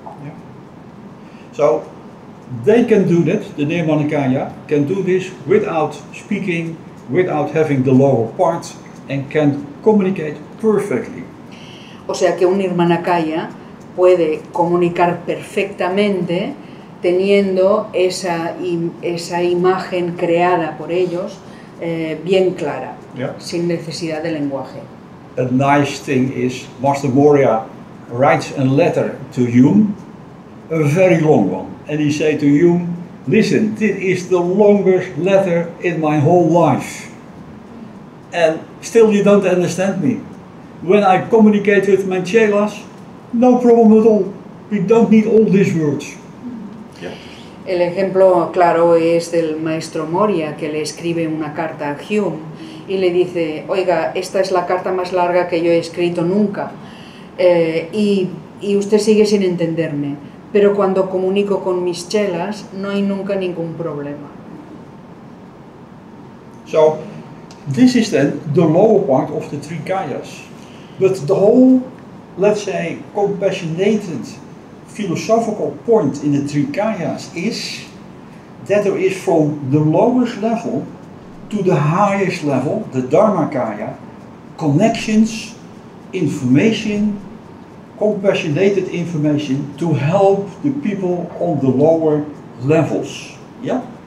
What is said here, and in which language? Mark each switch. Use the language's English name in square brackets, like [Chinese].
[English] Yeah. So they can do that, the Neermanicaya can do this without speaking, without having the lower part, and can communicate perfectly. [Spanish] O sea que un Neermanicaya puede comunicar perfectamente teniendo esa imagen creada por ellos bien clara, [English] yeah, [Spanish] sin necesidad de lenguaje. [English] A nice thing is Master Moria writes a letter to Hume, a very long one, and he said to Hume, listen, this is the longest letter in my whole life, and still you don't understand me. When I communicate with my chelas, no problem at all, we don't need all these words. [Spanish] El ejemplo claro es del maestro Moria, que le escribe una carta a Hume y le dice, oiga, esta es la carta más larga que yo he escrito nunca, y usted sigue sin entenderme, pero cuando comunico con mis chelas no hay nunca ningún problema. [English] So, this is then the lower part of the three kayas. But the whole, let's say, compassionated philosophical point in the three kayas is that there is from the lowest level to the highest level, the Dharmakaya, connections, information, compassionated information to help the people on the lower levels. Yeah?